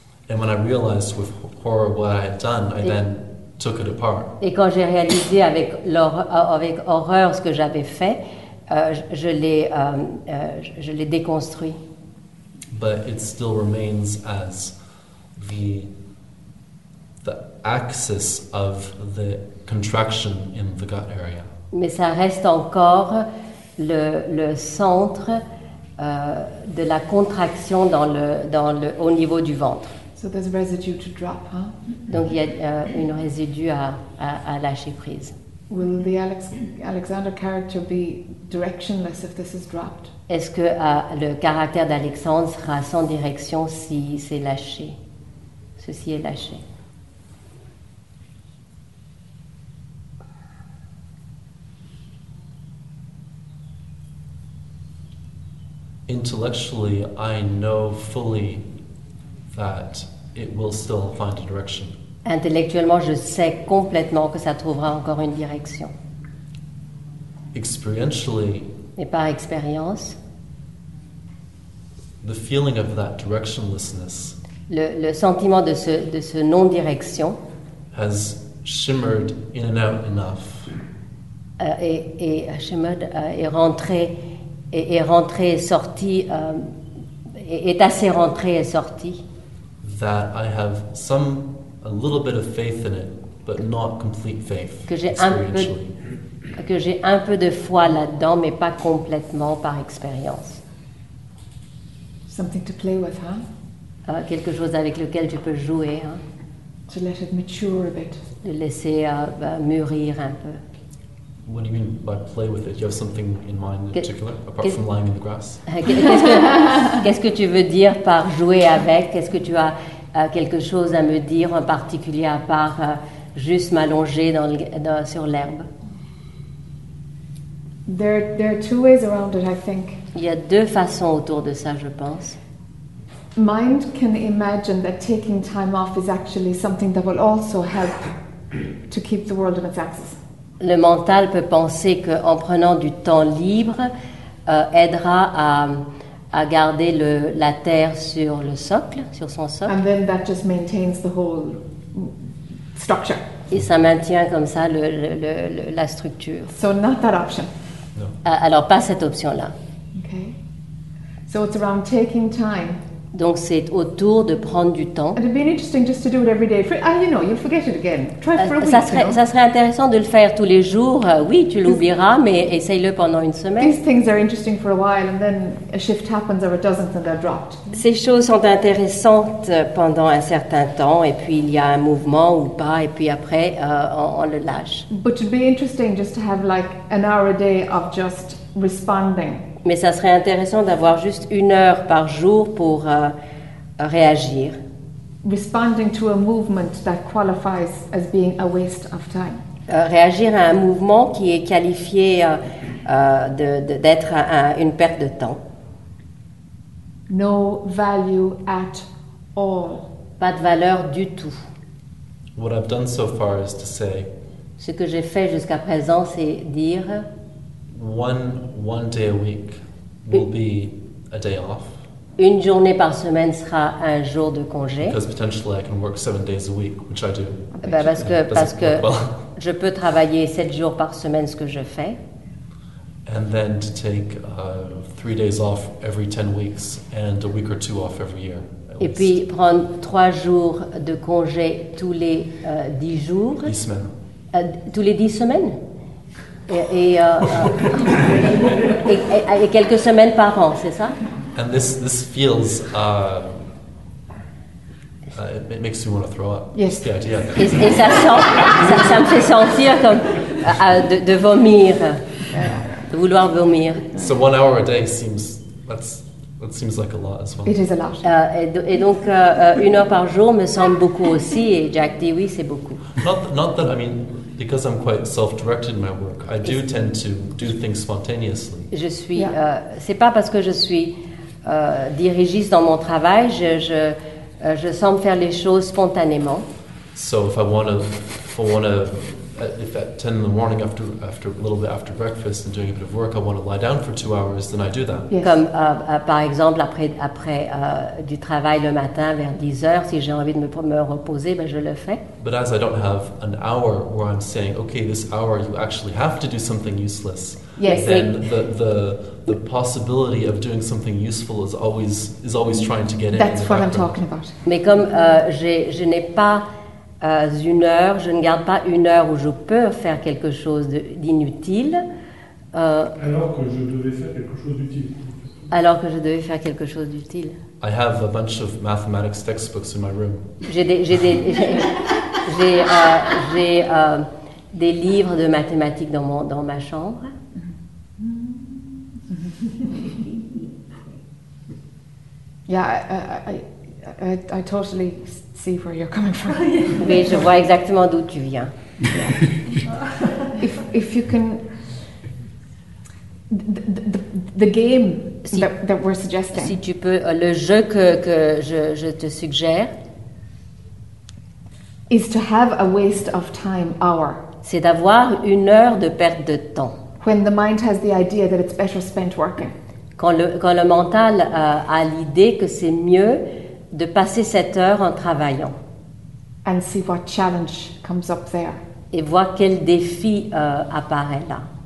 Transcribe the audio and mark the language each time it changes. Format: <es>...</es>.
<en>And when I realized with horror what I had done, took it apart.</en> <fr>Et quand j'ai réalisé avec horreur ce que j'avais fait, je l'ai déconstruit.</fr> <en>But it still remains as the axis of the contraction in the gut area.</en> <fr>Mais ça reste encore le centre de la contraction dans le au niveau du ventre.</fr> <en>So there's a residue to drop, huh?</en> <fr>Donc il y a une résidu à lâcher prise.</fr> <en>Will the Alexander character be directionless if this is dropped?</en> <fr>Est-ce que le caractère d'Alexandre sera sans direction si c'est lâché? Ceci est lâché.</fr> <en>Intellectually, I know fully that it will still find a direction.</en> <fr>Intellectuellement, je sais complètement que ça trouvera encore une direction.</fr> <en>Experientially,</en> <fr>et par expérience,</fr> <en>the feeling of that directionlessness,</en> <fr>le sentiment de ce non-direction,</fr> <en>has shimmered in and out enough,</en> <fr>est assez rentré et sorti.</fr> <en>That I have a little bit of faith in it, but not complete faith.</en> <fr>Que j'ai un peu de foi là-dedans, mais pas complètement par expérience.</fr> <en>Something to play with, huh?</en> <fr>Quelque chose avec lequel tu peux jouer, hein?</fr> <en>To let it mature a bit.</en> <fr>De laisser mûrir un peu.</fr> <en>What do you mean by play with it? Do you have something in mind in particular, apart from lying in the grass?</en> <fr>Qu'est-ce que tu veux dire par jouer avec? Est-ce que tu as quelque chose à me dire en particulier à part juste m'allonger sur l'herbe?</fr> <en>There are two ways around it, I think.</en> <fr>Il y a deux façons autour de ça, je pense.</fr> <en>Mind can imagine that taking time off is actually something that will also help to keep the world on its axis.</en> <fr>Le mental peut penser que en prenant du temps libre aidera à garder la terre sur le socle, sur son socle.</fr> <en>And then that just maintains the whole structure.</en> <fr>Et ça maintient comme ça la structure.</fr> <en>So not that option. No.</en> <fr>Alors pas cette option là.</fr> <en>Okay. So it's around taking time.</en> <fr>Donc c'est autour de prendre du temps.</fr> <en>It'd be interesting just to do it every day. You'll forget it again. Try for a week.</en> <fr>Ça serait intéressant de le faire tous les jours. Oui, tu l'oublieras, mais essaye-le pendant une semaine.</fr> <en>These things are interesting for a while, and then a shift happens or it doesn't, and they're dropped.</en> <fr>Ces choses sont intéressantes pendant un certain temps, et puis il y a un mouvement ou pas, et puis après on le lâche.</fr> <en>But it'd be interesting just to have like an hour a day of just responding.</en> <fr>Mais ça serait intéressant d'avoir juste une heure par jour pour réagir.</fr> <en>Responding to a movement that qualifies as being a waste of time.</en> <fr>Réagir à un mouvement qui est qualifié d'être une perte de temps.</fr> <en>No value at all.</en> <fr>Pas de valeur du tout.</fr> <en>What I've done so far is to say.</en> <fr>Ce que j'ai fait jusqu'à présent, c'est dire.</fr> <en>One day a week will be a day off.</en> <fr>Une journée par semaine sera un jour de congé.</fr> <en>Because potentially I can work 7 days a week, which I do.</en> <fr>Parce que je peux travailler 7 jours par semaine, ce que je fais.</fr> <en>And then to take 3 days off every 10 weeks and a week or two off every year.</en> <fr>Puis prendre 3 jours de congé tous les 10 jours. 10 semaines. Tous les 10 semaines. Et quelques semaines par an, c'est ça?</fr> <en>And this feels it makes me want to throw up. Yes. The idea.</en> <fr>Et ça sent, ça me fait sentir comme de vomir, de vouloir vomir.</fr> <en>So 1 hour a day seems that seems like a lot as well. It is a lot.</en> <fr>Et donc une heure par jour me semble beaucoup aussi. Et Jack dit oui, c'est beaucoup.</fr> <en>Not that I mean. Because I'm quite self-directed in my work, I do tend to do things spontaneously.</en> <fr>Je suis.</fr> <en>Yeah.</en> <fr>C'est pas parce que je suis dirigiste dans mon travail, je semble faire les choses spontanément.</fr> <en>So if at 10 in the morning after a little bit after breakfast and doing a bit of work, I want to lie down for 2 hours, then I do that. Yes.</en> <fr>Comme par exemple après du travail le matin vers 10 heures, si j'ai envie de me reposer, ben je le fais.</fr> <en>But as I don't have an hour where I'm saying, okay, this hour you actually have to do something useless. Yes. Then the possibility of doing something useful is always trying to get that's in. That's what I'm talking about.</en> <fr>Mais comme je n'ai pas une heure, je ne garde pas une heure où je peux faire quelque chose d'inutile. Alors que je devais faire quelque chose d'utile.</fr> <en>I have a bunch of mathematics textbooks in my room.</en> <fr>J'ai des livres de mathématiques dans ma chambre.</fr> <en>Yeah, I totally. See where you're coming from.</en> <fr>Mais je vois exactement d'où tu viens.</fr> <en>If you can, the game that we're suggesting.</en> <fr>Si tu peux, le jeu que je te suggère.</fr> <en>Is to have a waste of time hour.</en> <fr>C'est d'avoir une heure de perte de temps.</fr> <en>When the mind has the idea that it's better spent working.</en> <fr>Quand le mental a l'idée que c'est mieux. De passer cette heure en travaillant.</fr> <en>And see what challenge comes up there.</en> <fr>Et voir quel défi apparaît là.</fr>